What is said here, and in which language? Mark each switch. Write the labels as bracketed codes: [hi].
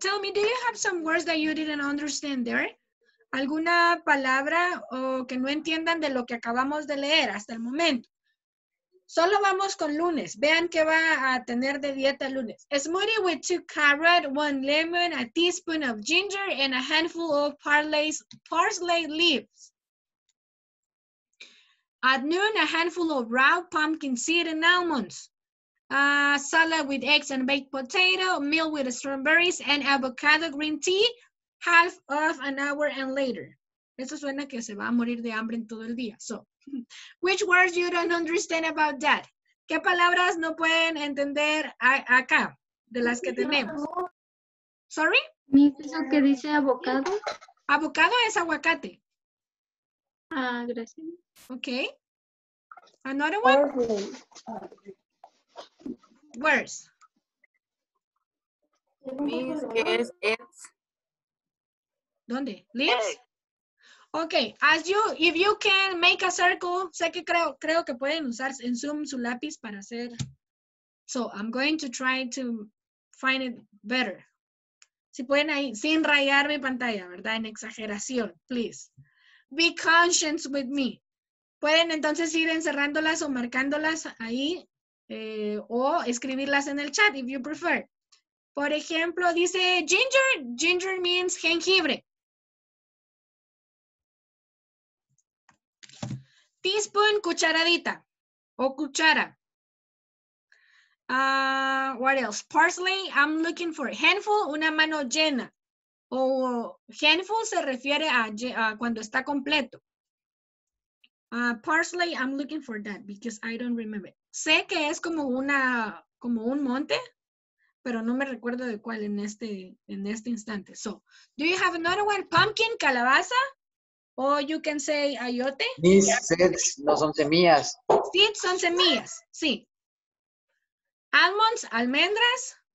[en] Tell me, do you have some words that you didn't understand there? [es] ¿Alguna palabra o que no entiendan de lo que acabamos de leer hasta el momento? Solo vamos con lunes. Vean qué va a tener de dieta lunes. [en] Smoothie with 2 carrots, 1 lemon, a teaspoon of ginger, and a handful of parsley leaves. At noon, a handful of raw pumpkin seed and almonds. Salad with eggs and baked potato. Meal with strawberries and avocado green tea. Half of an hour and later. [es] Eso suena que se va a morir de hambre en todo el día. [en] So, which words you don't understand about that? [es] ¿Qué palabras no pueden entender acá? De las que tenemos. [en] Sorry? [es] ¿Eso que dice avocado? Avocado es aguacate. Gracias. [en] Okay. Another one? Words. Means is it's. [es] ¿Dónde? Leaves? Okay. [en] As you, if you can make a circle, [es] sé que creo que pueden usar en Zoom su lápiz para hacer. [en] So, I'm going to try to find it better. [es] Si pueden ahí, sin rayar mi pantalla, ¿verdad? En exageración, please. [en] Be conscious with me. [es] Pueden entonces ir encerrándolas o marcándolas ahí o escribirlas en el chat, [en] if you prefer. [es] Por ejemplo, dice ginger. Ginger means jengibre. Teaspoon, cucharadita o cuchara. [en] What else? Parsley, I'm looking for handful, [es] una mano llena. O handful se refiere a cuando está completo. [en] Parsley, I'm looking for that because I don't remember. [es] Sé que es como una, como un monte, pero no me recuerdo de cuál en este instante. [en] So, do you have another one? Pumpkin, calabaza, or you can say ayote. These seeds [es] no son semillas. Seeds son semillas, sí. Almonds, almendras.